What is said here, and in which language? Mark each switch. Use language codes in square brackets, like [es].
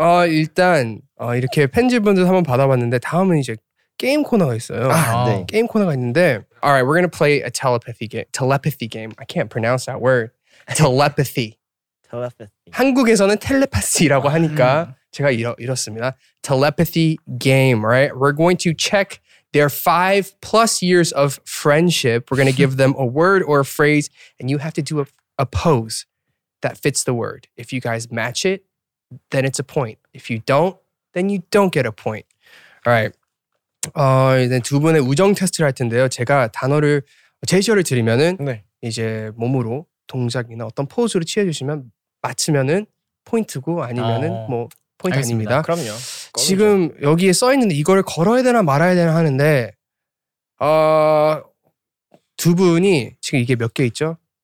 [ko] 일단 이렇게 팬질분들 한번 받아봤는데 다음은 이제 게임 코너가 있어요. 아, 네. 게임 코너가 있는데 [en] Alright, we're gonna play a telepathy game. I can't pronounce that word. Telepathy. Telepathy. [ko] 한국에서는 텔레파시라고 하니까 제가 이렇습니다. [en] Telepathy game, right? We're going to check their 5+ years of friendship. We're gonna give them a word or a phrase and you have to do a pose that fits the word. If you guys match it, then it's a point. If you don't, then you don't get a point. Alright. [ko] 이제 두 분의 우정 테스트를 할 텐데요. 제가 단어를 제시어를 드리면은 네. 이제 몸으로 동작이나 어떤 포즈를 취해 주시면 맞추면은 포인트고 아니면은 뭐 포인트 알겠습니다. 아닙니다. 그럼요. 지금 그럼요. 여기에 써 있는데 이걸 걸어야 되나 말아야 되나 하는데 두 분이 지금 이게 몇 개 있죠?